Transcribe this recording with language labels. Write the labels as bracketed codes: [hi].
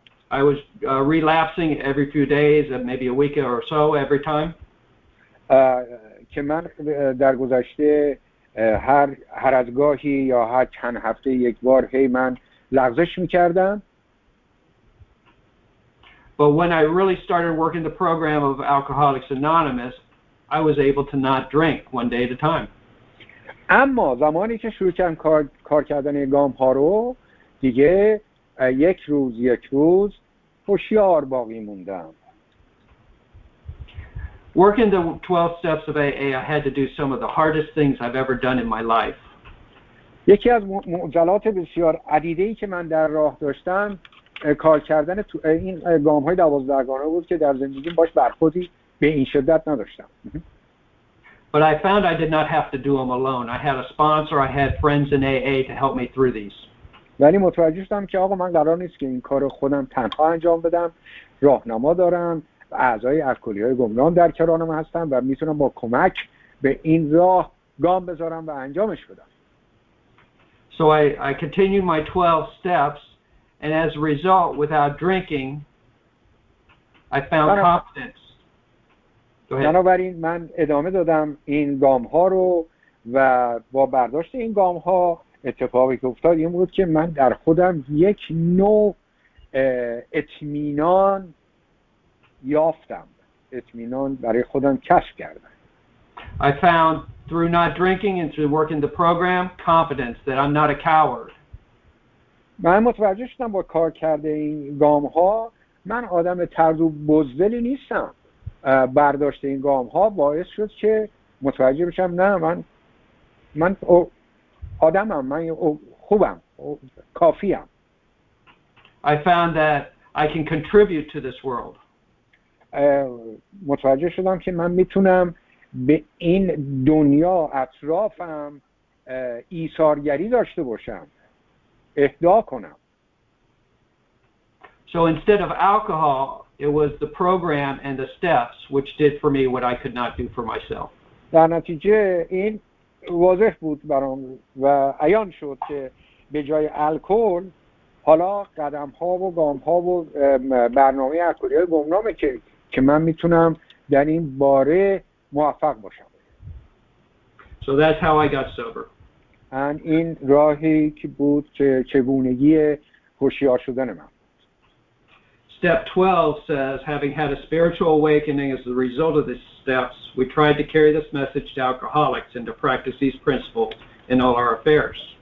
[en] I was relapsing every few days, maybe a week or so every time. [fa] که من در گذشته هر از گاهی یا هر چند هفته یک بار هی من لغزش میکردم. [en] But when I really started working the program of Alcoholics Anonymous, I was able to not drink one day at a time. [fa] اما زمانی که شروع کردم کار کردن گام ها رو دیگه یک روز هوشیار باقی موندم. [en] Working the 12 steps of AA, I had to do some of the hardest things I've ever done in my life. [fa] یکی از معضلات بسیار عدیده‌ای که من در راه داشتم کار کردن تو این گام های 12 گانه بود که در زندگیم باش برخوردی به این شدت نداشتم. [en] But I found I did not have to do them alone. I had a sponsor, I had friends in AA to help me through these. [fa] ولی متوجه شدم که آقا من قرار نیست که این کار خودم تنها انجام بدم. راهنما دارم و اعضای الکلی های گمنام در کنارم هستم و میتونم با کمک به این راه گام بذارم و انجامش بدم. [en] So I continued my 12 steps and as a result, without drinking, I found confidence. [fa] بنابراین من ادامه دادم این گام ها رو و با برداشت این گام ها اتفاقی که افتاد این بود که من در خودم یک نوع اطمینان یافتم، اطمینان برای خودم کشف کردم. [en] I found through not drinking and through working the program confidence that I'm not a coward. [fa] من متوجه شدم با کار کرده این گام ها من آدم طرز و بزدلی نیستم. برداشت این گام ها باعث شد که متوجه بشم نه من آدمم، من خوبم، کافیم. [en] I found that I can contribute to this world. [fa] متوجه شدم که من میتونم به این دنیا اطرافم ایثارگری داشته باشم، اهدا کنم. [en] So instead of alcohol, it was the program and the steps which did for me what I could not do for myself. [fa] در نتیجه این واضح بود برام و عیان شد که به جای الکل حالا قدم ها و گام ها و برنامه الکلی های گمنامه که من میتونم در این باره موفق باشم. [en] So that's how I got sober. [fa] And این راهی که بود که چگونگی هوشیار شدن من. [en] Step 12 says, having had a spiritual awakening as the result of these steps, we tried to carry this message to alcoholics and to practice these principles in all our affairs.